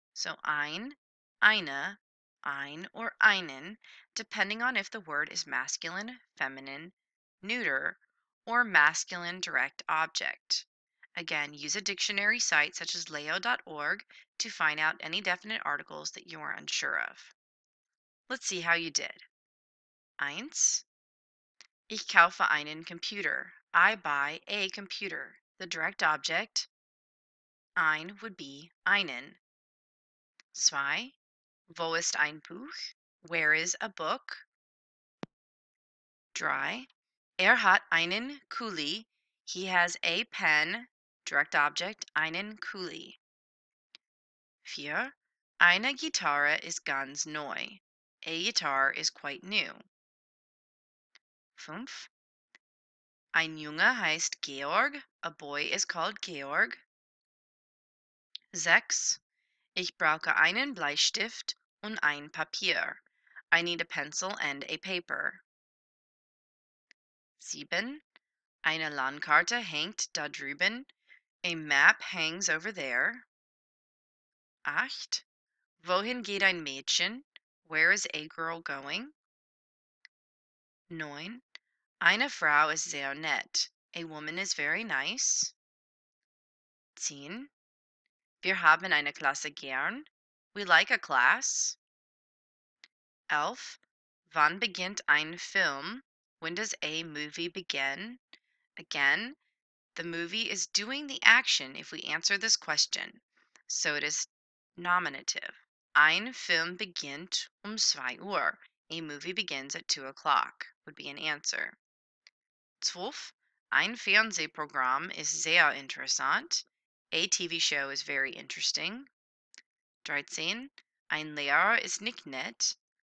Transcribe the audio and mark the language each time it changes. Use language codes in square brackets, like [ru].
[en] So ein, eine, ein, or einen, depending on if the word is masculine, feminine, neuter, or masculine direct object. Again, use a dictionary site such as leo.org to find out any definite articles that you are unsure of. Let's see how you did. Eins. [de] Ich kaufe einen Computer. [en] I buy a computer. The direct object, ein, would be einen. Zwei. [de] Wo ist ein Buch? [en] Where is a book? [de] Drei. Hat einen Kuli. [en] He has a pen. Direct object, einen Kuli. Vier. [de] Eine Gitarre ist ganz neu. [en] A guitar is quite new. Fünf. [de] Ein Junge heißt Georg. [en] A boy is called Georg. [de] Sechs. Ich brauche einen Bleistift und ein Papier. [en] I need a pencil and a paper. [de] Sieben. Eine Landkarte hängt da drüben. [en] A map hangs over there. [de] Acht. Wohin geht ein Mädchen? [en] Where is a girl going? [de] Neun. Eine Frau ist sehr nett. [en] A woman is very nice. 10. [de] Wir haben eine Klasse gern. [en] We like a class. 11. [de] Wann beginnt ein Film? [en] When does a movie begin? Again, the movie is doing the action if we answer this question. So it is nominative. [de] Ein Film beginnt 2 Uhr. [en] A movie begins at 2 o'clock would be an answer. 12. [de] Ein Fernsehprogramm ist sehr interessant. [en] A TV show is very interesting. 13. [de] Ein Lehrer ist nicht nett.